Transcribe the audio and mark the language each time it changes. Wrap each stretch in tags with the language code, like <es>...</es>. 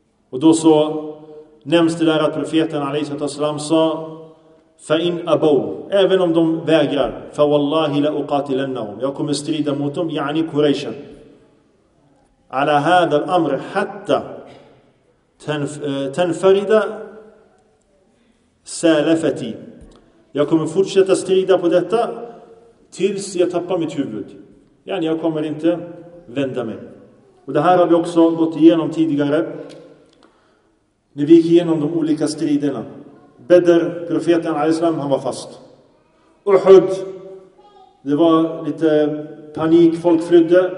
<sv>Och då så nämns det där att profeten alayhi sallam sa:</sv> <ar>فَإِنْ أَبَوْ.</ar> <sv>Även om de vägrar.</sv> <ar>فَوَاللَّهِ لَأُقَاتِلَنَّهُمْ.</ar> <sv>Jag kommer strida mot dem.</sv> <ar>يعني قريشا. على هذا الأمر حتى تنفرد سالفتي.</ar> <sv>Jag kommer fortsätta strida på detta tills jag tappar mitt huvud. يعني jag kommer inte vända mig. Och det här har vi också gått igenom tidigare. När vi gick igenom de olika striderna. Bedr, profeten al-Islam, han var fast. Uhud, det var lite panik, folk flydde.</sv>